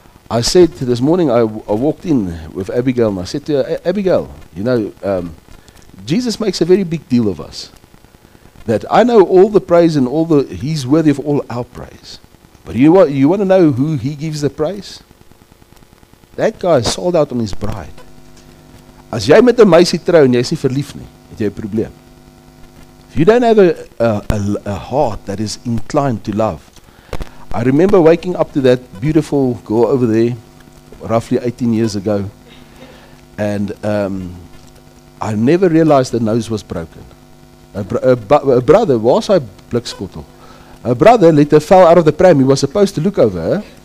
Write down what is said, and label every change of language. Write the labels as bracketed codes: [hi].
[en] I said this morning, I walked in with Abigail, and I said to her, Abigail, you know, Jesus makes a very big deal of us, that I know all the praise and all the, he's worthy of all our praise. But you want to know who he gives the praise? That guy sold out on his bride. [af] As jy met 'n meisie trou en jy is nie verlief nie, het jy 'n probleem. [en] If you don't have a heart that is inclined to love. I remember waking up to that beautiful girl over there, roughly 18 years ago. And I never realized the nose was broken. A brother, was I blikskottel? Her brother let her fall out of the pram. He was supposed to look over her.